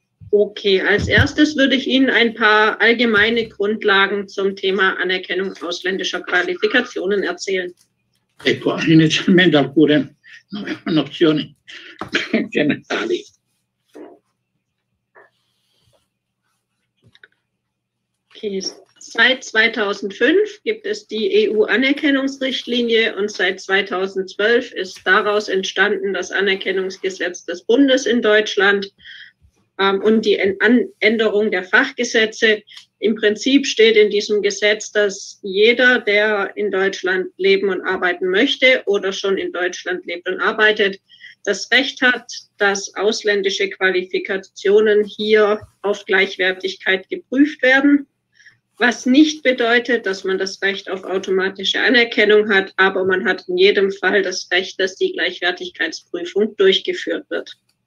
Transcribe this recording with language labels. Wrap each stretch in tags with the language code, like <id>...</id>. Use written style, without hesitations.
<de>Okay, als erstes würde ich Ihnen ein paar allgemeine Grundlagen zum Thema Anerkennung ausländischer Qualifikationen erzählen.</de> <it>Ecco, inizialmente alcune nozioni generali.</it> <de>Okay, seit 2005 gibt es die EU-Anerkennungsrichtlinie und seit 2012 ist daraus entstanden das Anerkennungsgesetz des Bundes in Deutschland. Und die Änderung der Fachgesetze. Im Prinzip steht in diesem Gesetz, dass jeder, der in Deutschland leben und arbeiten möchte oder schon in Deutschland lebt und arbeitet, das Recht hat, dass ausländische Qualifikationen hier auf Gleichwertigkeit geprüft werden, was nicht bedeutet, dass man das Recht auf automatische Anerkennung hat, aber man hat in jedem Fall das Recht, dass die Gleichwertigkeitsprüfung durchgeführt wird.</de>